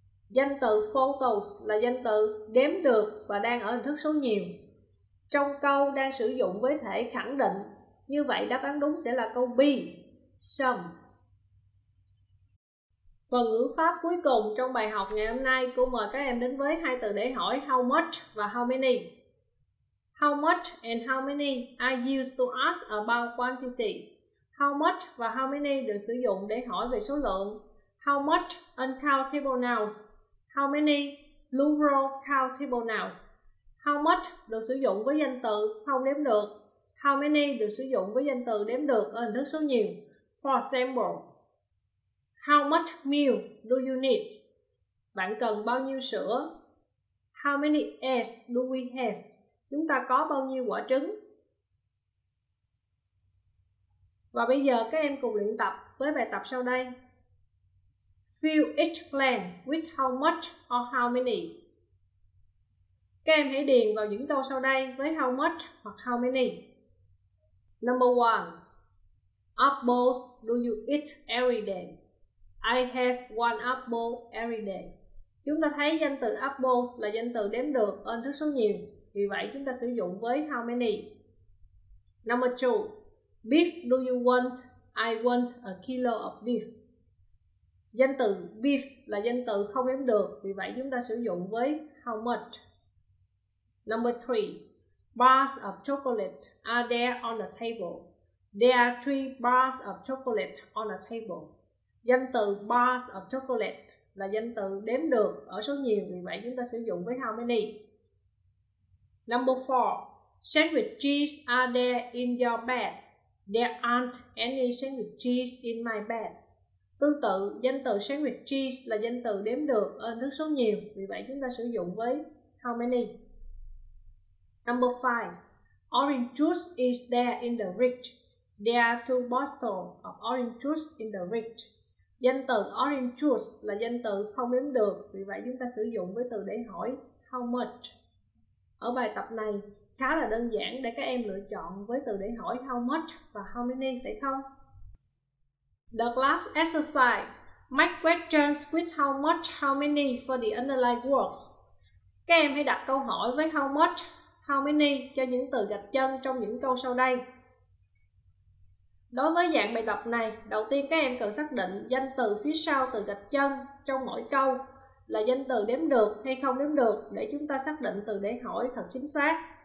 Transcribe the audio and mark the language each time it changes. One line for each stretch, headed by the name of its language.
Vietnamese: Danh từ photos là danh từ đếm được và đang ở hình thức số nhiều. Trong câu đang sử dụng với thể khẳng định. Như vậy đáp án đúng sẽ là câu B, some. Phần ngữ pháp cuối cùng trong bài học ngày hôm nay, cô mời các em đến với hai từ để hỏi how much và how many.
English: How much and how many are used to ask about quantity.
Vietnamese: How much và how many được sử dụng để hỏi về số lượng.
English: How much uncountable nouns, how many plural countable nouns.
Vietnamese: How much được sử dụng với danh từ không đếm được. How many được sử dụng với danh từ đếm được ở hình thức số nhiều.
English: For example, how much milk do you need?
Vietnamese: Bạn cần bao nhiêu sữa?
English: How many eggs do we have?
Vietnamese: Chúng ta có bao nhiêu quả trứng? Và bây giờ các em cùng luyện tập với bài tập sau đây.
English: Fill each blank with how much or how many.
Vietnamese: Các em hãy điền vào những câu sau đây với how much hoặc how many.
English: Number 1. Apples do you eat every day? I have one apple every day.
Vietnamese: Chúng ta thấy danh từ apples là danh từ đếm được ở hình thức số nhiều. Vì vậy chúng ta sử dụng với how many.
English: Number 2. Beef do you want? I want a kilo of beef.
Vietnamese: Danh từ beef là danh từ không đếm được. Vì vậy chúng ta sử dụng với how much.
English: Number 3. Bars of chocolate are there on the table. There are 3 bars of chocolate on the table.
Vietnamese: Danh từ bars of chocolate là danh từ đếm được ở số nhiều, vì vậy chúng ta sử dụng với how many.
English: Number 4. Sandwiches are there in your bag. There aren't any sandwiches in my bag.
Vietnamese: Tương tự, danh từ sandwiches là danh từ đếm được ở hình thức số nhiều, vì vậy chúng ta sử dụng với how many.
English: Number 5. Orange juice is there in the fridge. There are 2 bottles of orange juice in the fridge.
Vietnamese: Danh từ orange juice là danh từ không đếm được, vì vậy chúng ta sử dụng với từ để hỏi how much. Ở bài tập này khá là đơn giản để các em lựa chọn với từ để hỏi how much và how many, phải không?
English: The last exercise. Make questions with how much, how many for the underlying words.
Vietnamese: Các em hãy đặt câu hỏi với how much, how many cho những từ gạch chân trong những câu sau đây. Đối với dạng bài tập này, đầu tiên các em cần xác định danh từ phía sau từ gạch chân trong mỗi câu là danh từ đếm được hay không đếm được để chúng ta xác định từ để hỏi thật chính xác.